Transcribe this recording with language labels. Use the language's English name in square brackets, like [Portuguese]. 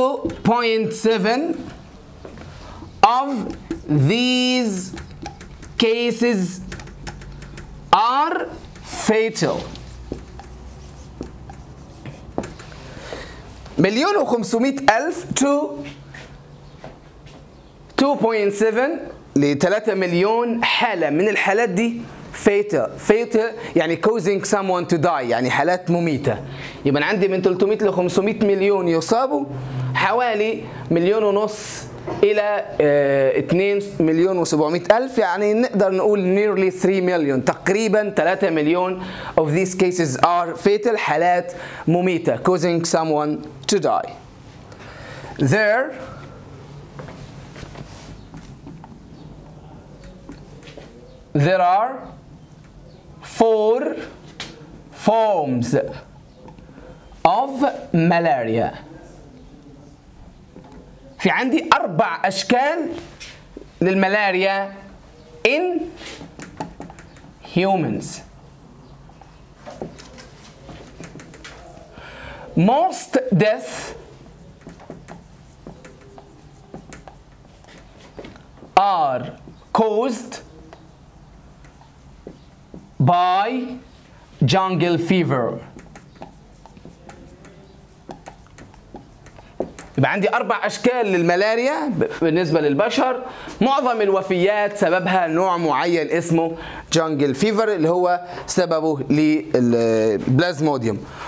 [English] 1.5 to 2.7 of these cases are fatal. [Arabic] مليون و 500 ألف [English] to 2.7 [Arabic] لثلاثة مليون حالة من الحالات دي fatal. [English] Fatal [Arabic] يعني [English] causing someone to die, [Arabic] يعني حالات مميتة. يبقى عندي من 300 ل 500 مليون يصابوا, حوالي مليون ونص إلى 2 مليون و 700 ألف, يعني نقدر نقول [English] nearly [Arabic] 3 مليون, تقريبا 3 مليون [English] of these cases are fatal, [Arabic] حالات مميتة, [English] causing someone to die. There are four forms of malaria. [Arabic] في عندي أربع أشكال للملاريا [English] in humans. Most death are caused by jungle fever. [Arabic] يبقى عندي أربع أشكال للملاريا بالنسبة للبشر. معظم الوفيات سببها نوع معين اسمه jungle fever اللي هو سببه للبلازموديوم.